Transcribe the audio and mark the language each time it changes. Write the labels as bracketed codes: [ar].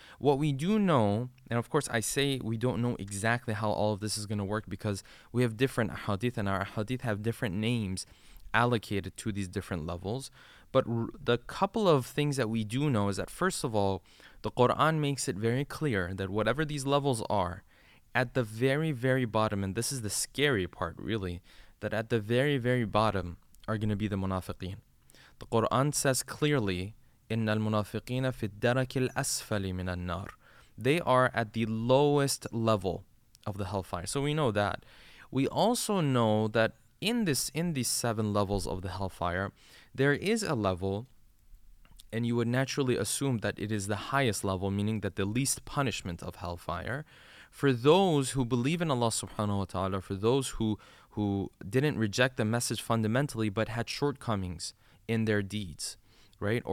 [en] What we do know, and of course I say we don't know exactly how all of this is going to work, because we have different ahadith, and our ahadith have different names allocated to these different levels. But the couple of things that we do know is that, first of all, the Quran makes it very clear that whatever these levels are, at the very, very bottom, and this is the scary part really, that at the very, very bottom are going to be the munafiqeen. The Quran says clearly, [ar] إِنَّ الْمُنَافِقِينَ فِي الدَّرَكِ الْأَسْفَلِ مِنَ النَّارِ. [en] They are at the lowest level of the hellfire. So we know that. We also know that in these seven levels of the hellfire, there is a level, and you would naturally assume that it is the highest level, meaning that the least punishment of hellfire, for those who believe in Allah subhanahu wa ta'ala, for those who didn't reject the message fundamentally but had shortcomings in their deeds, right?